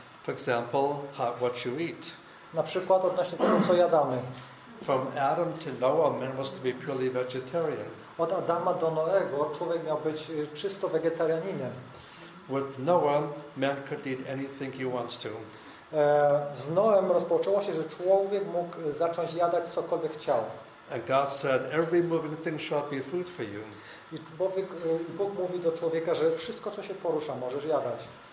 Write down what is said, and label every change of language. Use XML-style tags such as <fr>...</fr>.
<en>For example, what you eat.</en> <pl>Na przykład odnośnie tego, co jadamy.</pl> <en>From Adam to Noah, man was to be purely vegetarian.</en> <pl>Od Adama do Noego człowiek miał być czysto wegetarianinem.</pl> <en>With Noah, man could eat anything he wants to.</en> <pl>Z Noem rozpoczęło się, że człowiek mógł zacząć jadać cokolwiek chciał.</pl> <en>And God said, every moving thing shall be food for you.</en> <pl>I Bóg mówi do człowieka, że wszystko, co się porusza, możesz jadać.</pl>